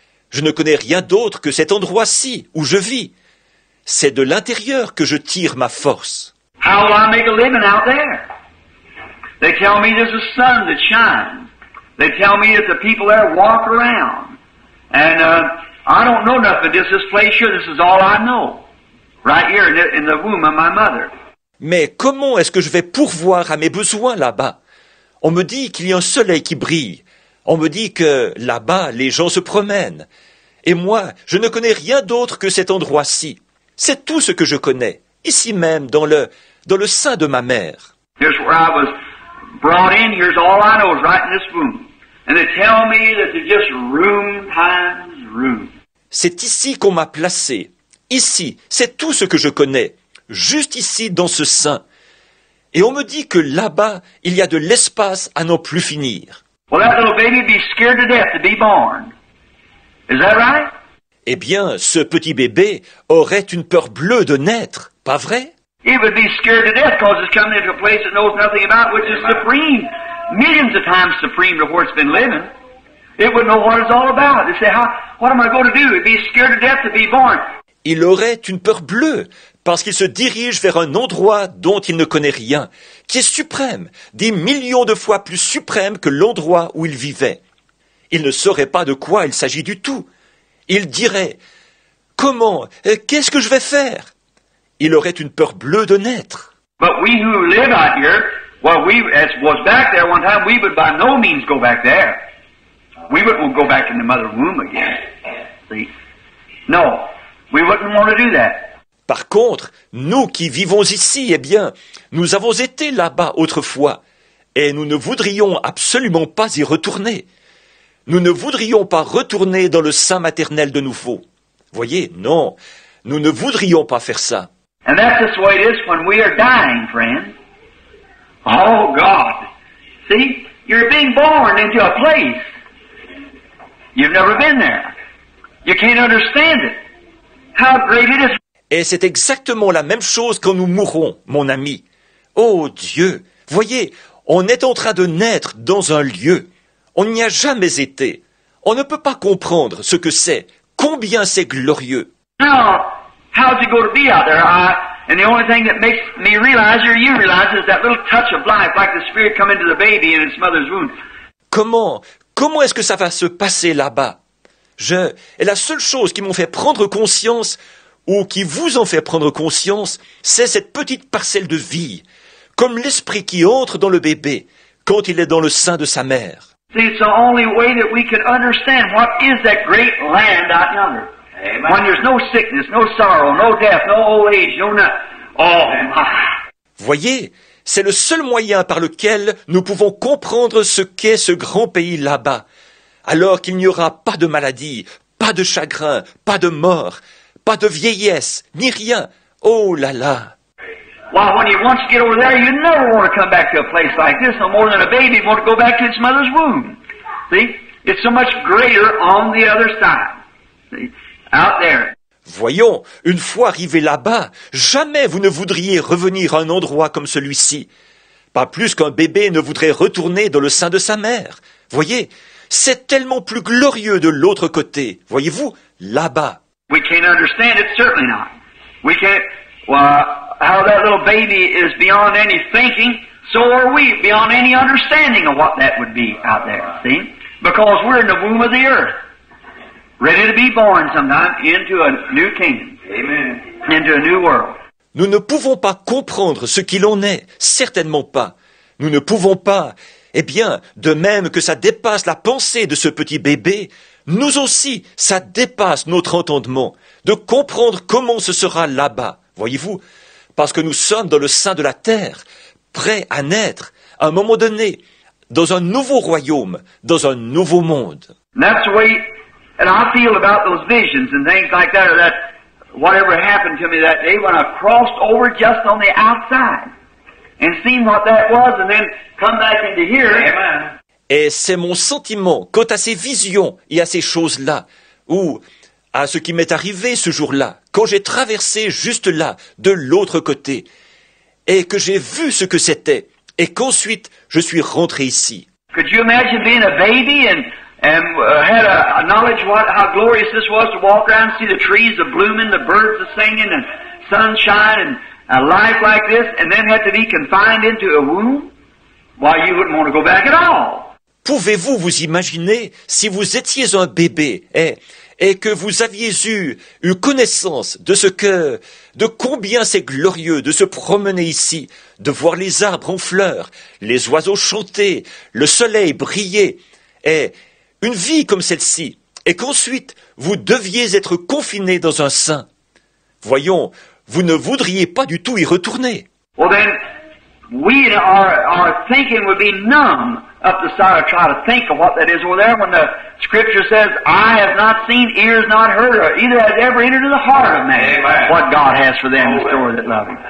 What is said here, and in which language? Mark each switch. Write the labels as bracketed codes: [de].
[fr] Je ne connais rien d'autre que cet endroit-ci où je vis. C'est de l'intérieur que je tire ma force. [en] How will I make a living out there? They tell me there's a sun that shines. They tell me that the people there walk around. And I don't know nothing. This is place here. This is all I know. Right here in the womb of my mother. [fr] Mais comment est-ce que je vais pourvoir à mes besoins là-bas? On me dit qu'il y a un soleil qui brille. On me dit que là-bas, les gens se promènent. Et moi, je ne connais rien d'autre que cet endroit-ci. C'est tout ce que je connais, ici même, dans le sein de ma mère. [en] Here's where I was brought in. Here's all I know, right in this room. And they tell me that it's just room times room. [fr] C'est ici qu'on m'a placé. Ici, c'est tout ce que je connais. Juste ici, dans ce sein. Et on me dit que là-bas, il y a de l'espace à n'en plus finir. [en] Well, that little baby be scared to death to be born. Is that right? [fr] Eh bien, ce petit bébé aurait une peur bleue de naître, pas vrai? [en] He would be scared to death because it's coming into a place it knows nothing about, which is supreme, millions of times supreme to where it's been living. It would know what it's all about. It'd say, what am I going to do? It'd be scared to death to be born. [fr] Il aurait une peur bleue parce qu'il se dirige vers un endroit dont il ne connaît rien, qui est suprême, des millions de fois plus suprême que l'endroit où il vivait. Il ne saurait pas de quoi il s'agit du tout. Il dirait, comment, qu'est-ce que je vais faire? Il aurait une peur bleue de naître. [en] But we who live out here, well, we as was back there one time, we would by no means go back there. We wouldn't go back in the mother womb again. See? No. We wouldn't want to do that. [fr] Par contre, nous qui vivons ici, eh bien, nous avons été là-bas autrefois, et nous ne voudrions absolument pas y retourner. Nous ne voudrions pas retourner dans le sein maternel de nouveau. Voyez, non, nous ne voudrions pas faire ça. [en] And that's just the way it is when we are dying, friend. Oh, God. See, you're being born into a place. You've never been there. You can't understand it. How great it is. [fr] Et c'est exactement la même chose quand nous mourons, mon ami. Oh Dieu, voyez, on est en train de naître dans un lieu. On n'y a jamais été. On ne peut pas comprendre ce que c'est, combien c'est glorieux. [en] Now, how's it going to be out there? And the only thing that makes me realize, or you realize, is that little touch of life, like the spirit come into the baby in its mother's womb. [fr] Comment est-ce que ça va se passer là-bas? Et la seule chose qui m'ont fait prendre conscience, ou qui vous en fait prendre conscience, c'est cette petite parcelle de vie, comme l'esprit qui entre dans le bébé quand il est dans le sein de sa mère. [en] See, it's the only way that we can understand what is that great land out yonder. Amen. When there's no sickness, no sorrow, no death, no old age, no nothing. Oh, my. [fr] Voyez, c'est le seul moyen par lequel nous pouvons comprendre ce qu'est ce grand pays là-bas, alors qu'il n'y aura pas de maladie, pas de chagrin, pas de mort, pas de vieillesse, ni rien. Oh là là. [en] Well, when you once get over there, you never want to come back to a place like this, no more than a baby want to go back to its mother's womb. See? It's so much greater on the other side. See? Out there. [fr] Voyons, une fois arrivé là-bas, jamais vous ne voudriez revenir à un endroit comme celui-ci. Pas plus qu'un bébé ne voudrait retourner dans le sein de sa mère. Voyez, c'est tellement plus glorieux de l'autre côté, voyez-vous, là-bas. [en] We can't understand it, certainly not. We can't, how that little baby is beyond any thinking, so are we beyond any understanding of what that would be out there, see? Because we're in the womb of the earth. Ready to be born sometime into a new kingdom. Amen. Into a new world. [fr] Nous ne pouvons pas comprendre ce qu'il en est, certainement pas. Nous ne pouvons pas. Eh bien, de même que ça dépasse la pensée de ce petit bébé, nous aussi, ça dépasse notre entendement de comprendre comment ce sera là-bas, voyez-vous. Parce que nous sommes dans le sein de la terre, prêts à naître, à un moment donné, dans un nouveau royaume, dans un nouveau monde. [en] That's why. And I feel about those visions and things like that, or that whatever happened to me that day when I crossed over just on the outside and seen what that was and then come back into here. Amen. [fr] Et c'est mon sentiment quant à ces visions et à ces choses-là, ou à ce qui m'est arrivé ce jour-là, quand j'ai traversé juste là, de l'autre côté, et que j'ai vu ce que c'était, et qu'ensuite je suis rentré ici. [en] Could you imagine being a baby and had a knowledge how glorious this was to walk around and see the trees the blooming, the birds the singing, and sunshine, and a life like this, and then had to be confined into a womb? Why, you wouldn't want to go back at all. [fr] Pouvez-vous vous imaginer si vous étiez un bébé et que vous aviez eu connaissance de ce que, de combien c'est glorieux de se promener ici, de voir les arbres en fleurs, les oiseaux chanter, le soleil briller, et une vie comme celle-ci, et qu'ensuite vous deviez être confiné dans un sein. Voyons, vous ne voudriez pas du tout y retourner. [en] Well then, we our thinking would be numb up the side of trying to think of what that is over there when the scripture says, I have not seen, ears not heard, or either has ever entered into the heart of man. Amen. What God has for them in store that love him.